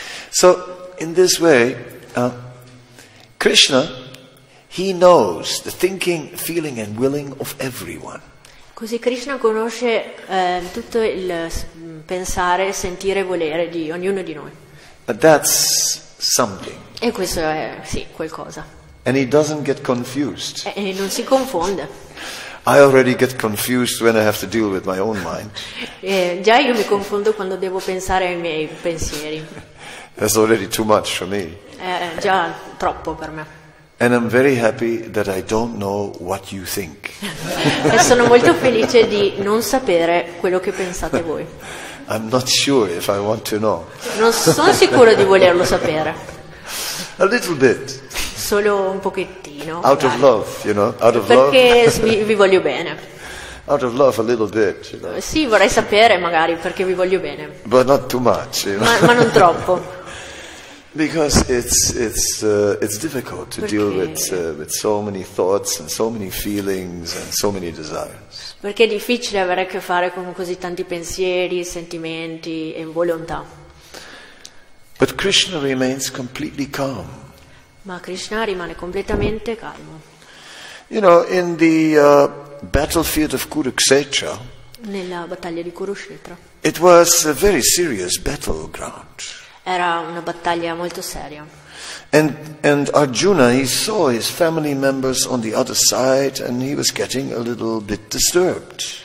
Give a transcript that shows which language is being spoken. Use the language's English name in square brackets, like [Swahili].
[English] So in this way, Krishna, he knows the thinking, feeling, and willing of everyone. [Italian] Così Krishna conosce tutto il pensare, sentire e volere di ognuno di noi. [English] But that's something. [Italian] E questo è sì qualcosa. [English] And he doesn't get confused. [Italian] E non si confonde. [English] I already get confused when I have to deal with my own mind. [Italian] Già io mi confondo quando devo pensare ai miei pensieri. [English] That's already too much for me. [Italian] Già troppo per me. [English] And I'm very happy that I don't know what you think. [Italian] E sono molto felice di non sapere quello che pensate voi. [English] I'm not sure if I want to know. [Italian] Non sono sicuro di volerlo sapere. [English] A little bit. [Italian] Solo un pochettino. [English] Out of love, you know. Out of [Italian] perché [English] love. [Italian] Perché vi voglio bene. [English] Out of love, a little bit, you know. [Italian] Sì, vorrei sapere, magari, perché vi voglio bene. [English] But not too much, you know. [Italian] Ma non troppo. [English] Because it's difficult to deal with so many thoughts and so many feelings and so many desires. [Italian] Perché è difficile avere a che fare con così tanti pensieri, sentimenti e volontà. [English] But Krishna remains completely calm. [Italian] Ma Krishna rimane completamente calmo. [English] You know, in the battlefield of Kurukshetra. [Italian] Nella battaglia di Kurukshetra. [English] It was a very serious battleground. [Italian] Era una battaglia molto seria. [English] And Arjuna, he saw his family members on the other side and he was getting a little bit disturbed.